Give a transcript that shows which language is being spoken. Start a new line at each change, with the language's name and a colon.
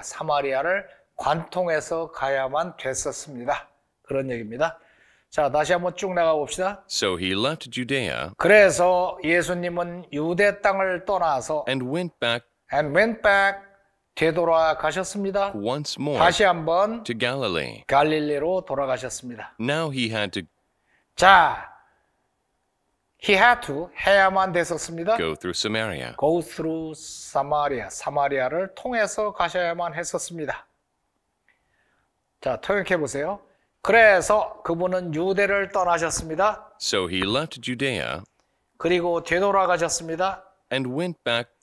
Korean: 사마리아를 관통해서 가야만 됐었습니다. 그런 얘기입니다. 자, 다시 한번 쭉 나가 봅시다.
English: So he left Judea
Korean: 그래서 예수님은 유대 땅을 떠나서
English: and went back and went back,
Korean: 되돌아가셨습니다.
English: once more
Korean: 다시 한번
English: to Galilee.
Korean: 갈릴리로 돌아가셨습니다.
English: Now he had to He had to,
Korean: 해야만 됐었습니다.
English: go through Samaria. Go through Samaria.
Korean: 사마리아를 통해서 가셔야만 했었습니다. 자, 통역해 보세요. 그래서 그분은 유대를 떠나셨습니다.
English: So he left Judea
Korean: 그리고 되돌아가셨습니다.
English: and went back